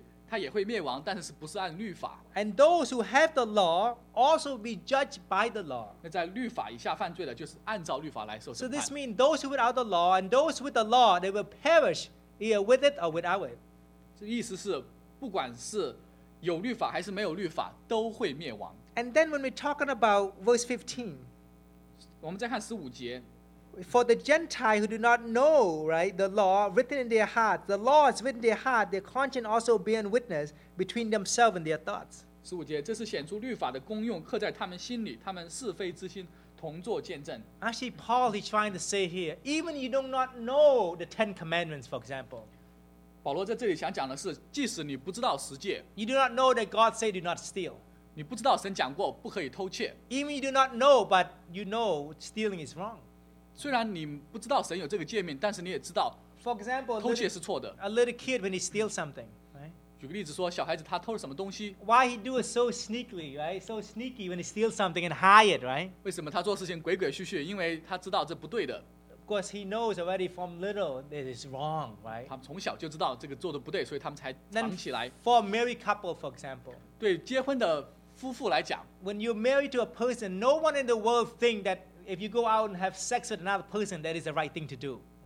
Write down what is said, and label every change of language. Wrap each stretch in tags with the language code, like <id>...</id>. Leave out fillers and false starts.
<zh>这里讲到说没有律法犯了罪他也会灭亡但是不是按律法。</zh> <en>And those who have the law also be judged by the law.</en> <zh>那在律法以下犯罪的就是按照律法来受审判。</zh> <en>So this means those without the law and those with the law, they will perish either with it or without it.</en> <zh>这意思是不管是有律法还是没有律法都会灭亡。</zh> <en>And then when we're talking about verse 15,</en> <zh>我们再看15节。</zh> <en>For the Gentile who do not know, right, the law written in their heart, the law is written in their heart, their conscience also bearing witness between themselves and their thoughts.</en> <zh>15节, 这是显出律法的功用刻在他们心里，他们是非之心同作见证。</zh> <en>Actually, Paul is trying to say here, even you do not know the Ten Commandments, for example.</en> <zh>保罗在这里想讲的是，即使你不知道十诫，</zh> <en>you do not know that God said do not steal.</en> <zh>你不知道神讲过不可以偷窃。</zh> <en>Even you do not know, but you know stealing is wrong.</en> <zh>虽然你不知道神有这个诫命，但是你也知道，</zh> <en>For example,</en> <zh>偷窃是错的。</zh> <en>A little kid when he steals something, right?</en> <zh>举个例子说，小孩子他偷了什么东西？</zh> <en>Why he do it so sneakily, right? So sneaky when he steals something and hide it, right?</en> <zh>为什么他做事情鬼鬼祟祟？因为他知道这不对的。</zh> <en>Of course, he knows already from little that it's wrong, right?</en> <zh>他们从小就知道这个做的不对，所以他们才藏起来。</zh> <en>For a married couple, for example,</en> <zh>对结婚的夫妇来讲，</zh> <en>When you're married to a person, no one in the world think that if you go out and have sex with another person, that is the right thing to do.</en>